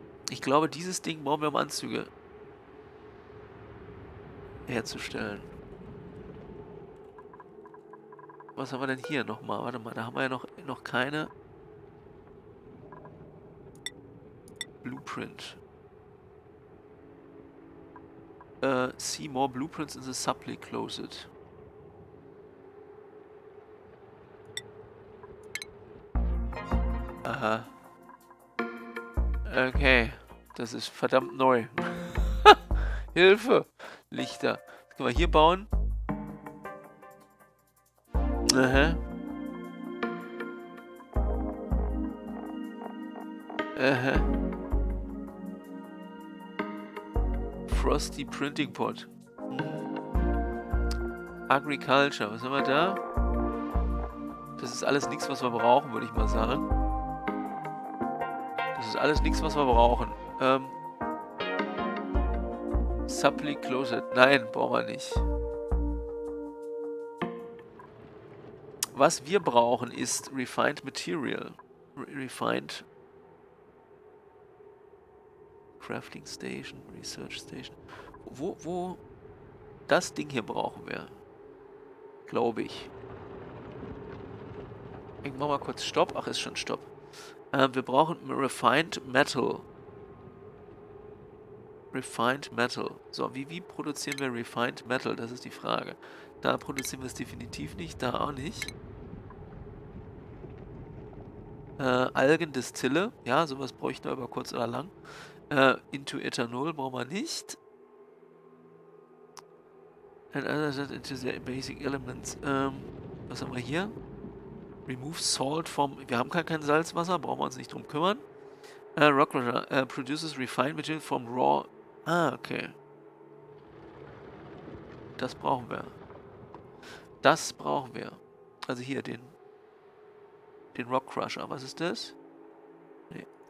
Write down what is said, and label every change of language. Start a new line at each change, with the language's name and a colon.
German: Ich glaube, dieses Ding brauchen wir, um Anzüge herzustellen. Was haben wir denn hier nochmal? Warte mal, da haben wir ja noch keine Blueprint.
English: See more blueprints in the supply closet. Aha.
German: Okay. Das ist verdammt neu. Hilfe! Lichter. Das können wir hier bauen. Aha. Aha.
English: Frosty Printing Pot.
German: Agriculture. Was haben wir da? Das ist alles nichts, was wir brauchen, würde ich mal sagen. Das ist alles nichts, was wir brauchen. Supply Closet. Nein, brauchen wir nicht. Was wir brauchen, ist Refined Material.
English: Refined Crafting Station, Research Station.
German: Wo? Das Ding hier brauchen wir. Glaube ich. Ich mach mal kurz Stopp. Ach, ist schon Stopp. Wir brauchen Refined Metal. Refined Metal. So, wie produzieren wir Refined Metal? Das ist die Frage. Da produzieren wir es definitiv nicht. Da auch nicht. Algendistille. Ja, sowas bräuchten wir über kurz oder lang. Into Ethanol brauchen wir nicht.
English: And others into the basic elements.
German: Was haben wir hier?
English: Remove salt from...
German: Wir haben kein Salzwasser. Brauchen wir uns nicht drum kümmern.
English: Rock Crusher produces refined material from raw... Ah, okay.
German: Das brauchen wir. Das brauchen wir. Also hier, den Rock Crusher. Was ist das? Nee.